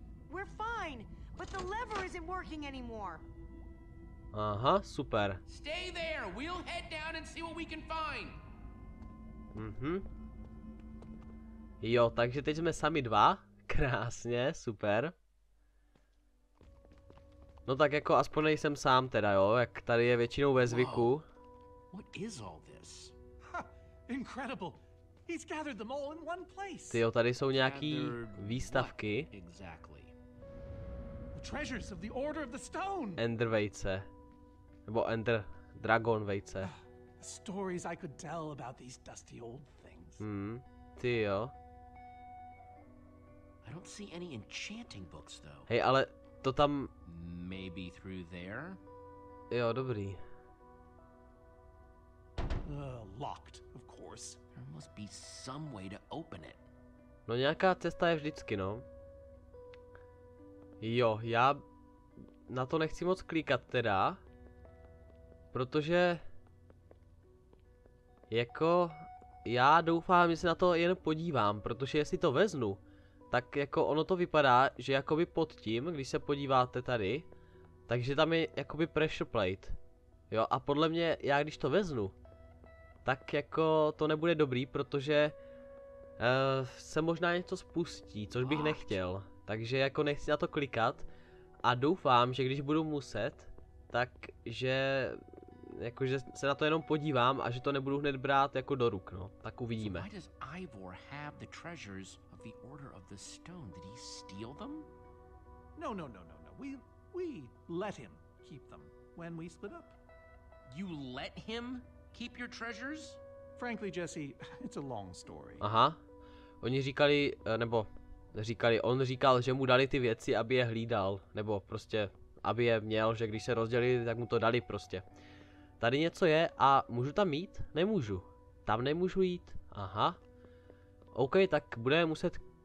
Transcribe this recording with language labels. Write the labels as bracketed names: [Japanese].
[English] We're fine, but the lever isn't working anymore. Aha, super. Stay there. We'll head down and see what we can find. Mhm. [Czech] Jo, takže teď jsme sami dva. Krásně, super. No tak jako aspoň nejsem sám teda, jo, jak tady je většinou ve zvyku. [English] What is all this? Incredible. He's gathered them all in one place. [Czech] Ty jo, tady jsou nějaký výstavky. [English] Exactly. The treasures of the Order of the Stone. [Czech] Ender vejce. Nebo Ender Dragon vejce. [English] Stories I could tell about these dusty old things. Hmm, [Czech] ty jo. [English] I don't see any enchanting books though. [Czech] Hej, ale to tam [English] maybe through there. [Czech] Jo, dobrý. [English] Locked, of course. There must be some way to open it. [Czech] No nějaká cesta je vždycky, no. Jo, já na to nechci moc klikat teda. Protože jako já doufám, že se na to jen podívám, protože jestli to vezmu, tak jako ono to vypadá, že jakoby pod tím, když se podíváte tady, takže tam je jakoby pressure plate. Jo, a podle mě já když to vezmu, tak jako to nebude dobrý, protože se možná něco spustí, což bych nechtěl. Takže jako nechci na to klikat a doufám, že když budu muset, takže jakože se na to jenom podívám a že to nebudu hned brát jako do ruk, no. Tak uvidíme. [English] Why does Ivor have the treasures of the Order of the Stone? Did he steal them? No, no, no, no, no. We let him keep them when we split up. You let him keep your treasures? Frankly, Jesse, it's a long story. Aha. [Czech] Oni říkali, nebo říkali, on říkal, že mu dali ty věci, aby je hlídal, nebo prostě aby je měl, že když se rozdělili, tak mu to dali prostě. Tady něco je a můžu tam jít? Nemůžu. Tam nemůžu jít. Aha. OK, tak budeme muset.